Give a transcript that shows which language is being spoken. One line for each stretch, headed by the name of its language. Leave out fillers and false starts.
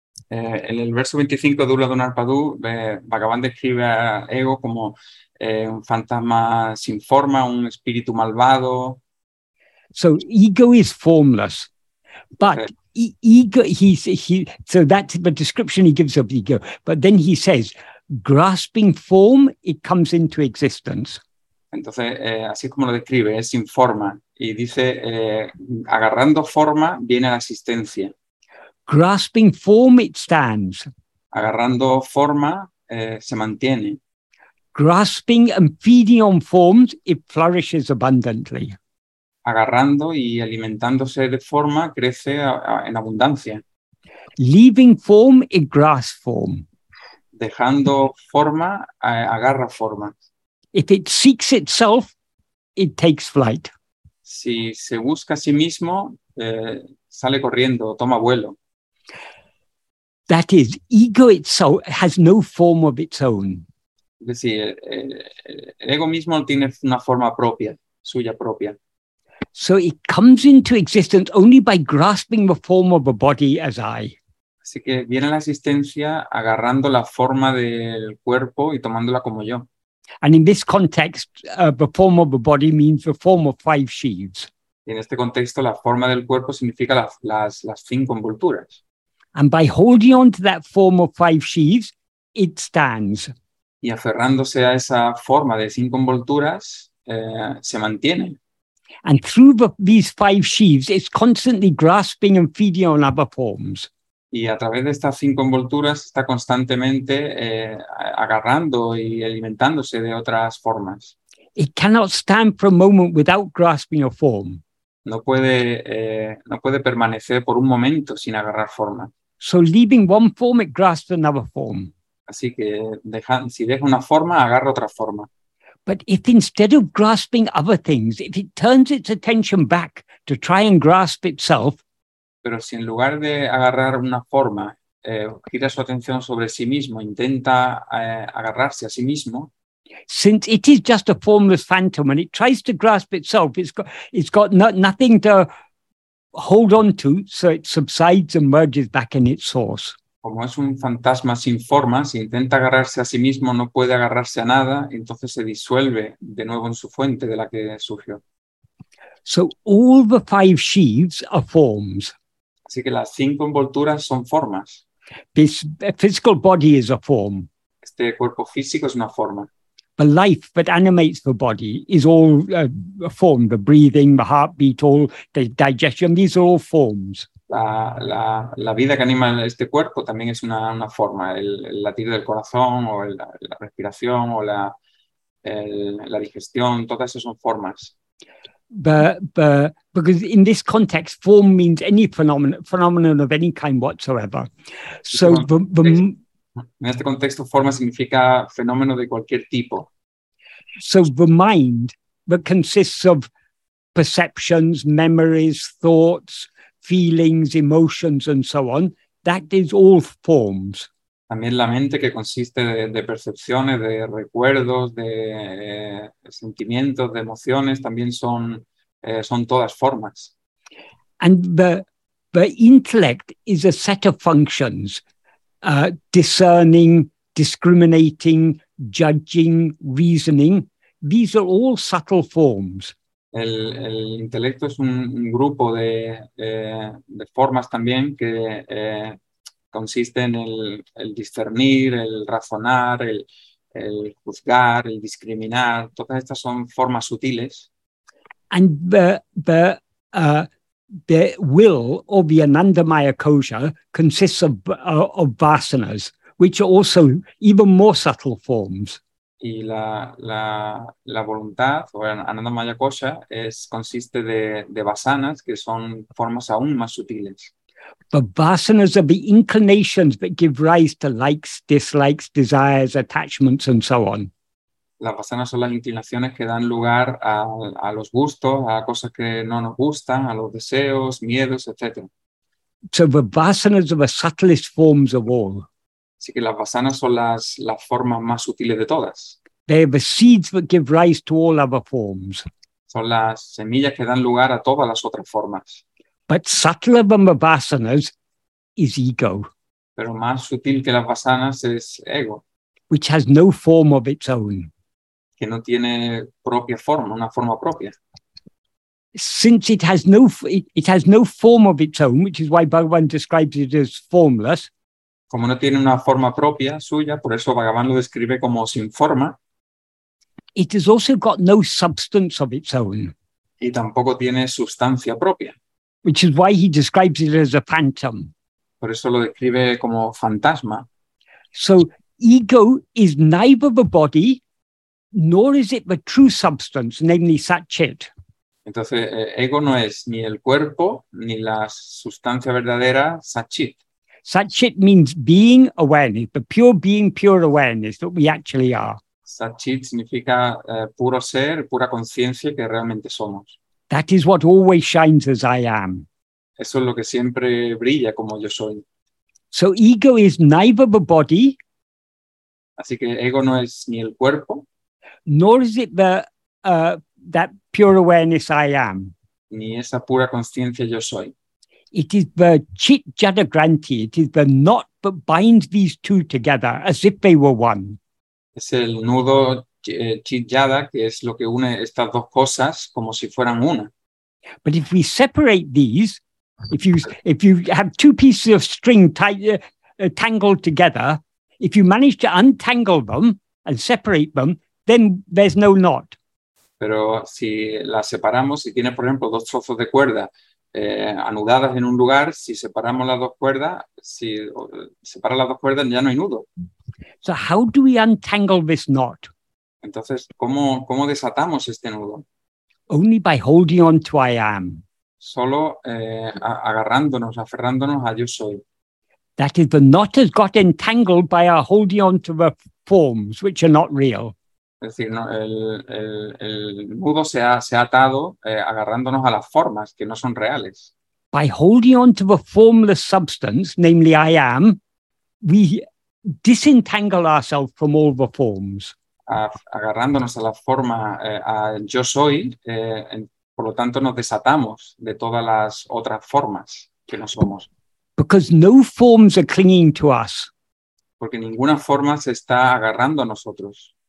Spanish: En el verso 25 de Uludunapattu, Bhagavan describe a ego como un fantasma sin forma, un espíritu malvado.
English: So ego is formless. But ego, so that's the description he gives of ego. But then he says, grasping form, it comes into existence.
Spanish: Entonces, así como lo describe, es sin forma. Y dice, agarrando forma, viene la existencia.
English: Grasping form, it stands.
Spanish: Agarrando forma, se mantiene.
English: Grasping and feeding on forms, it flourishes abundantly.
Spanish: Agarrando y alimentándose de forma, crece en abundancia.
English: Leaving form, it grasps form.
Spanish: Dejando forma, agarra forma.
English: If it seeks itself, it takes flight.
Spanish: si se busca a sí mismo, sale corriendo, toma vuelo.
English: That is, ego itself has no form of its own.
Spanish: Es decir, el ego mismo tiene una forma propia, suya propia.
English: So it comes into existence only by grasping the form of a body as I.
Spanish: Así que viene a la existencia agarrando la forma del cuerpo y tomándola como yo.
English: And in this context, the form of the body means the form of five sheaves.
Spanish: Y en este contexto, la forma del cuerpo significa las cinco envolturas.
English: And by holding on to that form of five sheaves, it stands.
Spanish: Y aferrándose a esa forma de cinco envolturas, se mantiene.
English: And through these five sheaves, it's constantly grasping and feeding on other forms.
Spanish: Y a través de estas cinco envolturas está constantemente agarrando y alimentándose de otras formas.
English: It cannot stand for a moment without grasping a form.
Spanish: No puede permanecer por un momento sin agarrar forma.
English: So leaving one form, it grasps another form.
Spanish: Así que si deja una forma, agarra otra forma.
English: But if instead of grasping other things, if it turns its attention back to try and grasp itself,
Spanish: pero si en lugar de agarrar una forma, gira su atención sobre sí mismo, intenta agarrarse a sí mismo.
English: Since it is just a formless phantom and it tries to grasp itself, it's got nothing to hold on to, so it subsides and merges back in its source.
Spanish: Como es un fantasma sin forma, si intenta agarrarse a sí mismo, no puede agarrarse a nada, entonces se disuelve de nuevo en su fuente de la que surgió.
English: So all the five sheaves are forms.
Spanish: Así que las cinco envolturas son formas.
English: This physical body is a form. Este cuerpo físico es una forma. The life that animates the body is all a form. The breathing, the heartbeat, all the digestion, these are all forms.
Spanish: La vida que anima este cuerpo también es una forma. El latir del corazón, o la respiración, o la digestión, todas esas son formas.
English: Because in this context, form means any phenomenon of any kind whatsoever. So
Spanish: en este contexto, forma significa fenómeno de cualquier tipo.
English: So the mind that consists of perceptions, memories, thoughts, feelings, emotions, and so on, that is all forms.
Spanish: También la mente que consiste de percepciones, de recuerdos, de sentimientos, de emociones, también son todas formas.
English: And the intellect is a set of functions, discerning, discriminating, judging, reasoning. These are all subtle forms.
Spanish: El intelecto es un grupo de formas también que consiste en el discernir, el razonar, el juzgar, el discriminar. Todas estas son formas sutiles.
English: And the will, or the anandamaya kosha, consists of vasanas, which are also even more subtle forms.
Spanish: Y la voluntad, o anandamaya kosha, consiste de vasanas, que son formas aún más sutiles.
English: The vasanas are the inclinations that give rise to likes, dislikes, desires, attachments, and so on.
Spanish: Las vasanas son las inclinaciones que dan lugar a los gustos, a cosas que no nos gustan, a los deseos, miedos, etc.
English: So the vasanas are the subtlest forms of all.
Spanish: Así que las vasanas son las formas más sutiles de todas.
English: They are the seeds that give rise to all other forms.
Spanish: Son las semillas que dan lugar a todas las otras formas.
English: But subtler than the vasanas is ego.
Spanish: Pero más sutil que las vasanas es ego.
English: Which has no form of its own.
Spanish: Que no tiene propia forma, una forma propia.
English: Since it has no form of its own, which is why Bhagavan describes it as formless.
Spanish: Como no tiene una forma propia suya, por eso Bhagavan lo describe como sin forma.
English: It has also got no substance of its own.
Spanish: Y tampoco tiene sustancia propia.
English: Which is why he describes it as a phantom.
Spanish: Por eso lo describe como fantasma.
English: So ego is neither the body, nor is it the true substance, namely Satchit.
Spanish: Entonces, ego no es ni el cuerpo, ni la sustancia verdadera, Satchit.
English: Satchit means being, awareness, the pure being, pure awareness, that we actually are.
Spanish: Satchit significa puro ser, pura conciencia que realmente somos.
English: That is what always shines as I am.
Spanish: Eso es lo que siempre brilla como yo soy.
English: So ego is neither the body.
Spanish: Así que ego no es ni el cuerpo.
English: Nor is it the that pure awareness I am.
Spanish: Ni esa pura consciencia yo soy.
English: It is the chit jadagranti. It is the knot that binds these two together as if they were one.
Spanish: Es el nudo chit-jada, que es lo que une estas dos cosas como si fueran una.
English: But if we separate these, if you have two pieces of string tangled together, if you manage to untangle them and separate them, then there's no knot.
Spanish: Pero si las separamos, si tiene, por ejemplo, dos trozos de cuerda anudadas en un lugar, si separamos las dos cuerdas, si separa las dos cuerdas, ya no hay nudo.
English: So how do we untangle this knot?
Spanish: Entonces, ¿cómo desatamos este nudo?
English: Only by holding on to I am.
Spanish: Solo agarrándonos, aferrándonos a yo soy.
English: That is, the knot has got entangled by our holding on to the forms, which are not real.
Spanish: Es decir, no, el nudo se ha atado agarrándonos a las formas, que no son reales.
English: By holding on to the formless substance, namely I am, we disentangle ourselves from all the forms.
Spanish: Agarrándonos a la forma a yo soy, por lo tanto nos desatamos de todas las otras formas que no somos.
English: Because no forms are clinging to us.
Spanish: Porque ninguna forma se está agarrando a nosotros.